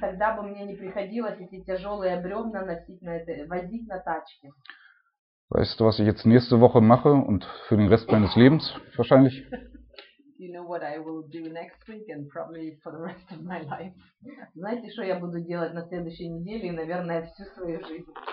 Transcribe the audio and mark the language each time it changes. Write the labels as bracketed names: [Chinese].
[Russian] Тогда бы мне не приходилось эти тяжелые бревна носить на это, возить на тачке. [German] Weißt du, was ich jetzt nächste Woche mache und für den Rest meines Lebens wahrscheinlich? [English] Do you know what I will do next week and probably for the rest of my life? [Russian] Знаете, что я буду делать на следующей неделе и, наверное, всю свою жизнь?